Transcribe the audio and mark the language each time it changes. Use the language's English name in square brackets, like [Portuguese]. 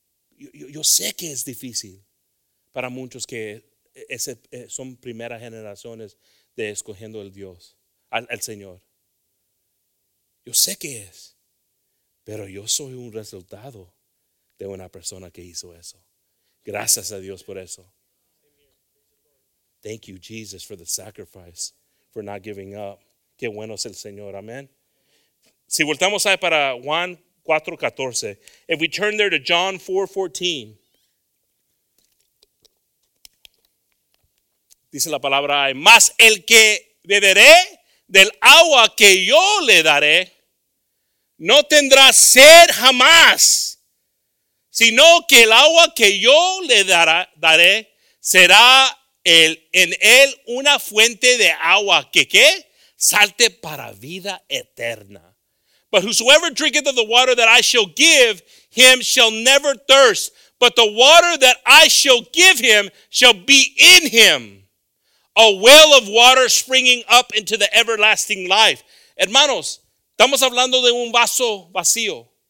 [Spanish] Yo sé que es difícil para muchos que son primeras generaciones de escogiendo el Dios, al Señor. Yo sé que es, pero yo soy un resultado de una persona que hizo eso. Gracias a Dios por eso. [English] Thank you, Jesus, for the sacrifice, for not giving up. [Spanish] Qué bueno es el Señor. Amén. Si voltamos ahí para Juan 4:14, [English] if we turn there to John 4:14, [Spanish] dice la palabra, más el que beberé del agua que yo le daré, no tendrá sed jamás, sino que el agua que yo le daré será en él una fuente de agua que salte para vida eterna. [English] But whosoever drinketh of the water that I shall give him shall never thirst, but the water that I shall give him shall be in him a well of water springing up into the everlasting life. [Spanish] Hermanos, estamos hablando de un vaso vacío.